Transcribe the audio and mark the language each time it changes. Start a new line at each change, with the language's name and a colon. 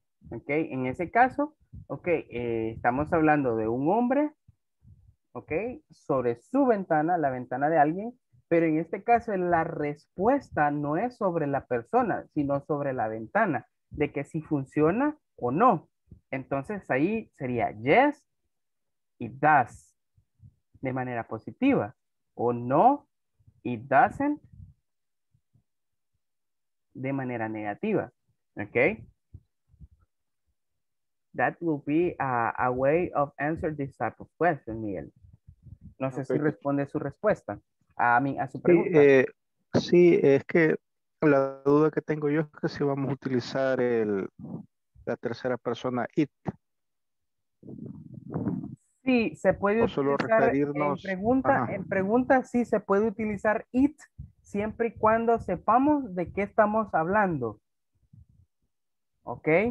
Spanish: Ok, en ese caso, ok, estamos hablando de un hombre, ok, sobre su ventana, la ventana de alguien, pero en este caso la respuesta no es sobre la persona, sino sobre la ventana, de que si funciona o no. Entonces ahí sería yes y does, de manera positiva, o no y doesn't, de manera negativa, ok.
English: That will be a way of answer this type of question, Miguel.
Spanish: No sé, okay, si responde su respuesta a su pregunta. Sí, es que la duda que tengo yo es que si vamos a utilizar la tercera persona, it. Sí, se puede utilizar en pregunta, sí se puede utilizar it, siempre y cuando sepamos de qué estamos hablando. Ok.